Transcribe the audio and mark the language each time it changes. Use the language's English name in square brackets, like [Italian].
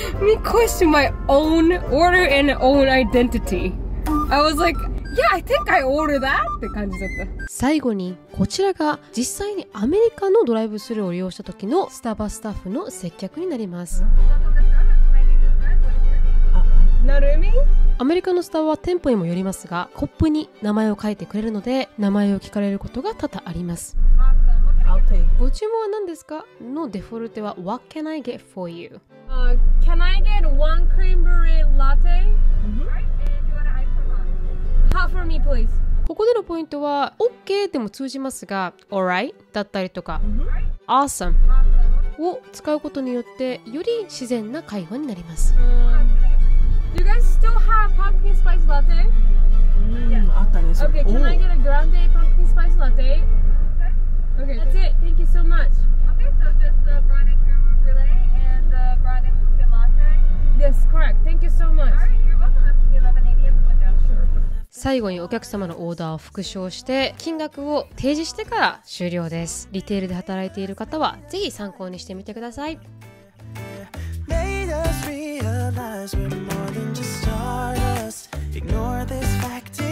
[English] me question my own order and own identity. I was like, yeah, I think I ordered that. [Japanese] って感じだった。最後にこちらが実際にアメリカのドライブスルーを利用した時のスタバスタッフの接客になります。なるみ？アメリカのスタバは店舗にもよりますが、コップに名前を書いてくれるので名前を聞かれることが多々あります。ご注文は何ですか？のデフォルテは [English] What can I get for you?、 Can I get one creamberry latte?、Mm-hmm. Half for me, please. [Japanese] ここでのポイントは OK でも通じますが Alright だったりとか、mm-hmm. Awesome を使うことによってより自然な会話になります、 [English] Do you guys still have pumpkin spice latte?、 [Japanese] あったね、それ。 [English] Okay, can I get a grande pumpkin spice latteOkay, that's it. Thank you so much. Okay, so just the grande caramel brulee and the grande pumpkin latte. Yes, correct. Thank you so much. All right, you're welcome. Have to be 11:80 window. Sure. [Japanese] 最後にお客様のオーダーを復唱して金額を提示してから終了です。リテールで働いている方はぜひ参考にしてみてください。 [English] Made us realize we're more than just stardust. Ignore this fact.